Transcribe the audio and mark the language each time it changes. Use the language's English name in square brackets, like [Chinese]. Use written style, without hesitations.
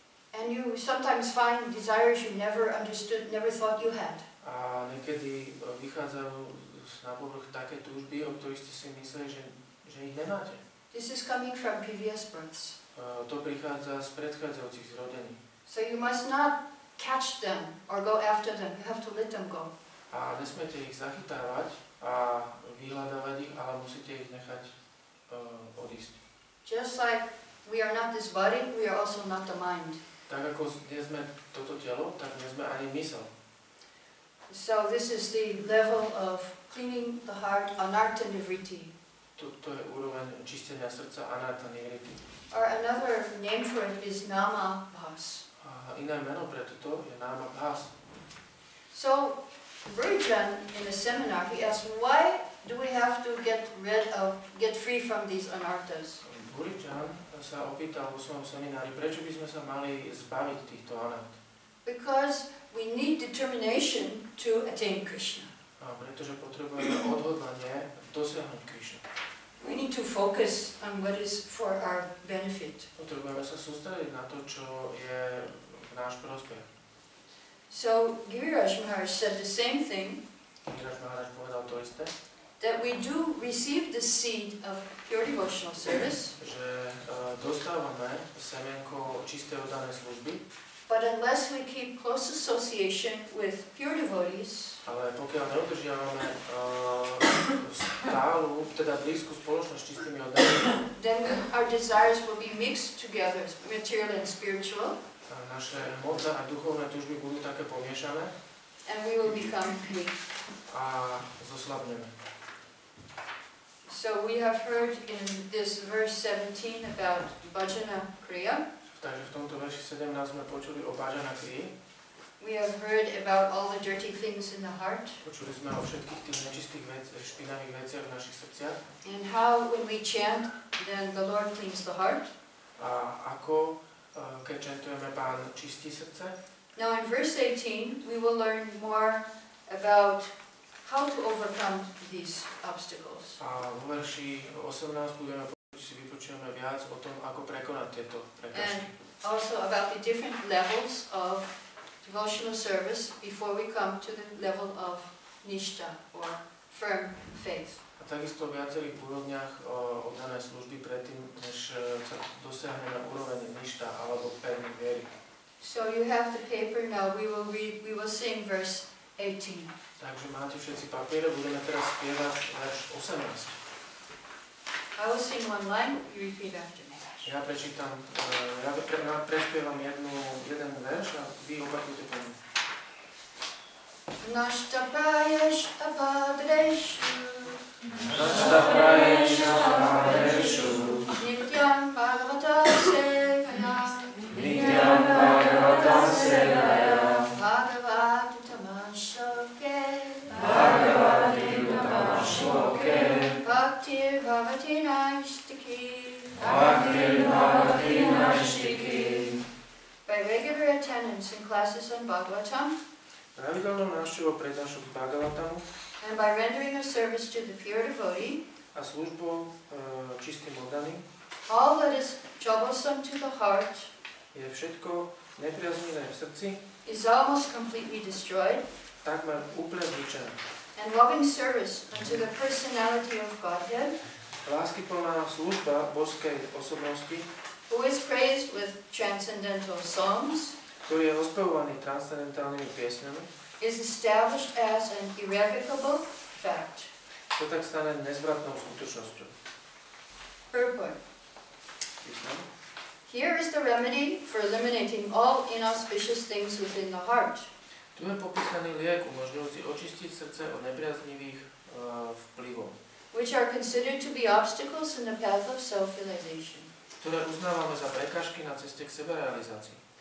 [English] And you sometimes find desires you never understood, never thought you had. [Slovak] A niekedy vychádzajú na povrch také túžby, o ktorých ste si mysleli, že ich nemáte. [English] This is coming from previous births. [Slovak] To prichádza z predchádzajúcich zrodení. [English] So you must not catch them or go after them. You have to let them go. [Slovak] A nesmiete ich zachytávať a vyhľadávať ich, ale musíte ich nechať odísť. [English] Just like we are not this body, we are also not the mind. [Slovak] Tak ako nie sme toto telo, tak nie sme ani mysel. [English] So this is the level of cleaning the heart, anartha nivritti. [Slovak] To je úroveň čistenia srdca, anartha nivritti. [English] Or another name for it is nama bhas. [Slovak] Iné meno pre toto je nama bhas. [English] So Virgin in a seminar he asked why do we have to get free from these anarthas? [Slovak] Virgin sa opýtal vo svojom seminári, prečo by sme sa mali zbaviť týchto anart. [English] Because we need determination to attain Krishna. [Slovak] A pretože potrebujeme odhodlanie dosiahnuť Krishna. [English] We need to focus on what is for our benefit. [Slovak] Potrebujeme sa sústrediť na to, čo je v náš prospech. [English] So Giriraj Maharaj said the same thing. [Slovak] Giriraj Maharaj povedal to isté. [English] That we do receive the seed of pure devotional service. [Slovak] Že dostávame semienko čisté oddané služby. [English] But unless we keep close association with pure devotees. [Slovak] Ale pokiaľ neudržiavame stálu, teda blízku spoločnosť s čistými oddanými. [English] Then our desires will be mixed together, material and spiritual. [Slovak] Naše emócie a duchovné túžby budú také pomiešané. [English] And we will become weak. [Slovak] A zoslabneme. [English] So we have heard in this verse 17 about bhajana kriya. [Slovak] Takže v tomto verši 17 sme počuli o bhajana kriye. [English] We have heard about all the dirty things in the heart. [Slovak] Počuli sme o všetkých tých nečistých veciach, špinavých veciach v našich srdciach. [English] And how when we chant, then the Lord cleans the heart. [Slovak] A ako keď chantujeme, Pán čistí srdce. [English] Now in verse 18 we will learn more about how to overcome these obstacles. [Slovak] A vo verši 18 budeme vypočujeme viac o tom, ako prekonať tieto prekážky. [English] And also about the different levels of devotional service before we come to the level of nishta or firm faith. [Slovak] A takisto o viacerých úrovniach oddané služby predtým, než sa dosiahne na úroveň nishta alebo pevný viery. [English] So you have the paper now, we will read, we will sing verse 18. [Slovak] Takže máte všetci papiere, budeme teraz spievať verš 18. [English] I will sing one line, you repeat after me. [Slovak] Ja prečítam, ja prespievam jeden verš a vy opakujte po mne. [Sanskrit] Naštapáješ a bádrešu. Naštapáješ a bádrešu. Nityam bhagavata sevaya. Nityam bhagavata sevaya. Bhagavati tamashoke. Bhagavati tamashoke. Bhaktir bhavati naishtiki. Bhaktir bhavati naishtiki. [English] By regular attendance in classes on Bhagavatam. [Slovak] Pravidelnou návštevou prednášok z Bhagavatamu. [English] And by rendering a service to the pure devotee. [Slovak] A službou čistým oddaným. [English] All that is troublesome to the heart. [Slovak] Je všetko nepriaznivé v srdci. [English] Is almost completely destroyed. [Slovak] Takmer úplne zničené. [English] And loving service unto the personality of Godhead. [Slovak] Láskyplná služba božskej osobnosti. [English] Who is praised with transcendental songs. [Slovak] Ktorý je ospevovaný transcendentálnymi piesňami. [English] Is established as an irrevocable fact. [Slovak] To tak stane nezvratnou skutočnosťou. [English] Purport. [Slovak] Krishna. [English] Here is the remedy for eliminating all inauspicious things within the heart. [Slovak] Tu je popísaný liek umožňujúci očistiť srdce od nepriaznivých vplyvov. [English] Which are considered to be obstacles in the path of self-realization. [Slovak] Ktoré uznávame za prekážky na ceste k seberealizácii.